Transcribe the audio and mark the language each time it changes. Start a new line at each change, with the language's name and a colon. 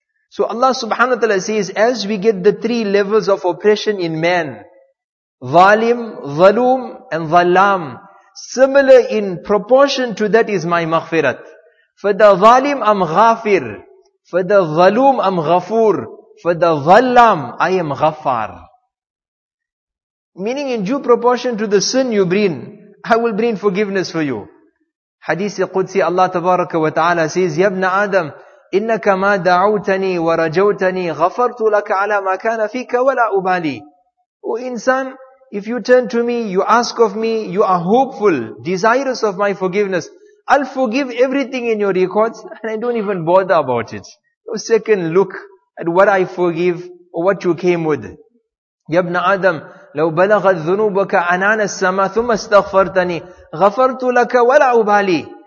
English: So Allah subhanahu wa ta'ala says, as we get the three levels of oppression in man, Zalim, Zaloom, and Zalam, similar in proportion to that is my maghfirat. For the Zalim, I'm ghafir. For the Zaloom, I'm ghafur. For the Zalam, I am ghafar. Meaning, in due proportion to the sin you bring, I will bring forgiveness for you.
Arabic: Hadith al-Qudsi, Allah tabaraka wa ta'ala says, Ya ibn Adam, إِنَّكَ مَا دَعُوتَنِي وَرَجَوْتَنِي غَفَرْتُ لَكَ عَلَى مَا كَانَ فِيكَ وَلَا أُبَالِي.
English: O insan, if you turn to me, you ask of me, you are hopeful, desirous of my forgiveness, I'll forgive everything in your records, and I don't even bother about it. No second look at what I forgive or what you came with.
Arabic: يَا ابْنَ آدَمْ لَوْ بَلَغَ الذُّنُوبَكَ أَنَانَ السَّمَاءَ ثُمَّ اسْتَغْفَرْتَنِي غَفَرْتُ لَكَ وَلَا أُبَالِي.